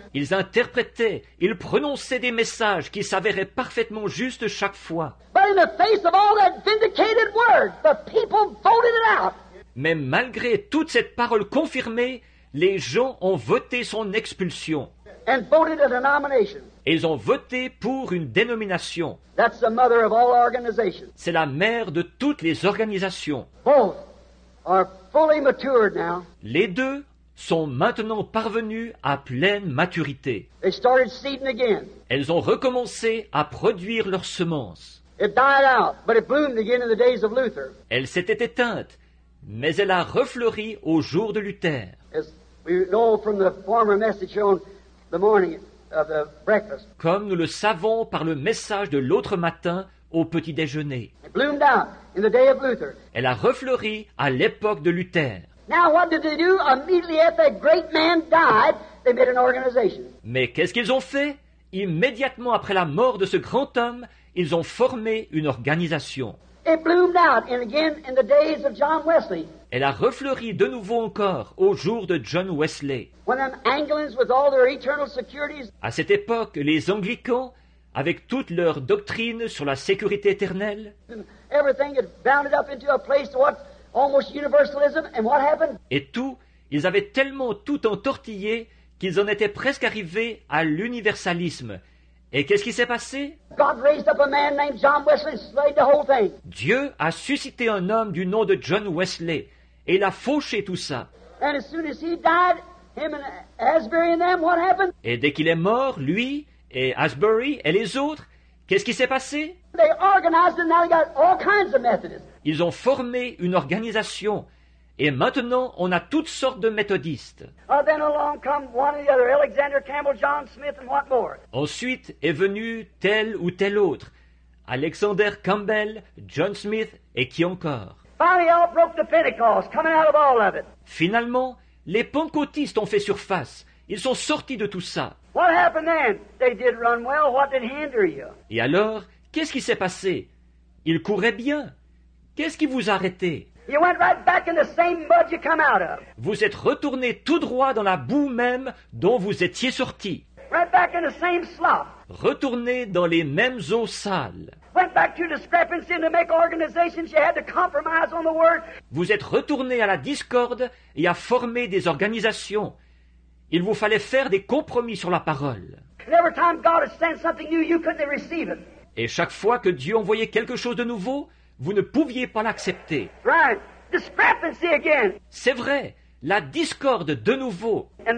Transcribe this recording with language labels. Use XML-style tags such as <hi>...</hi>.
<fr>Ils interprétaient, ils prononçaient des messages qui s'avéraient parfaitement justes chaque fois.</fr> <en>But in the face of all that vindicated word, the people voted it out.</en> <fr>Mais malgré toute cette parole confirmée, les gens ont voté son expulsion.</fr> <en>And voted a denomination.</en> <fr>Et ils ont voté pour une dénomination.</fr> <en>That's the mother of all organizations.</en> <fr>C'est la mère de toutes les organisations.</fr> <en>Both are fully matured now.</en> <fr>Les deux sont maintenant parvenus à pleine maturité.</fr> <en>They started seeding again.</en> <fr>Elles ont recommencé à produire leurs semences.</fr> <en>It died out, but it bloomed again in the days of Luther.</en> <fr>Elle s'était éteinte, mais elle a refleuri au jour de Luther.</fr> <en>As we know from the former message on the morning of the breakfast.</en> <fr>Comme nous le savons par le message de l'autre matin au petit déjeuner.</fr> <en>It bloomed out in the day of Luther.</en> <fr>Elle a refleuri à l'époque de Luther.</fr> <en>Now what did they do? Immediately after a great man died, they made an organization.</en> <fr>Mais qu'est-ce qu'ils ont fait? Immédiatement après la mort de ce grand homme, ils ont formé une organisation.</fr> <en>It bloomed out and again in the days of John Wesley.</en> <fr>Elle a refleuri de nouveau encore au jour de John Wesley.</fr> <en>When the Anglicans with all their eternal securities.</en> <fr>À cette époque, les Anglicans, avec toute leur doctrine sur la sécurité éternelle,</fr> <en>everything had bounded up into a place to what almost universalism, and what happened?</en> <fr>Et tout, ils avaient tellement tout entortillé qu'ils en étaient presque arrivés à l'universalisme. Et qu'est-ce qui s'est passé?</fr> <en>God raised up a man named John Wesley and slayed the whole thing.</en> <fr>Dieu a suscité un homme du nom de John Wesley et il a fauché tout ça.</fr> <en>And as soon as he died, him and Asbury and them, what happened?</en> <fr>Et dès qu'il est mort, lui et Asbury et les autres, qu'est-ce qui s'est passé?</fr> <en>They organized and now they got all kinds of Methodists.</en> <fr>Ils ont formé une organisation et maintenant on a toutes sortes de méthodistes.</fr> <en>Then along come one or the other, Alexander Campbell, John Smith and what more.</en> <fr>Ensuite est venu tel ou tel autre, Alexander Campbell, John Smith et qui encore.</fr> <en>Finally all broke the Pentecost, coming out of all of it.</en> <fr>Finalement, les pentecôtistes ont fait surface. Ils sont sortis de tout ça.</fr> <en>What happened then? They did run well. What did hinder you?</en> <fr>Et alors, qu'est-ce qui s'est passé? Ils couraient bien. Qu'est-ce qui vous a arrêté?</fr> <en>You went right back in the same mud you come out of.</en> <fr>Vous êtes retourné tout droit dans la boue même dont vous étiez sorti.</fr> <en>Right back in the same slop.</en> <fr>Retourné dans les mêmes eaux sales.</fr> <en>Went back to discrepancy and to make organizations you had to compromise on the word.</en> <fr>Vous êtes retourné à la discorde et à former des organisations. Il vous fallait faire des compromis sur la parole.</fr> <en>And every time God has sent something new, you couldn't receive it.</en> <fr>Et chaque fois que Dieu envoyait quelque chose de nouveau, vous ne pouviez pas l'accepter.</fr> <en>Right. Discrepancy again.</en> <fr>C'est vrai, la discorde de nouveau.</fr>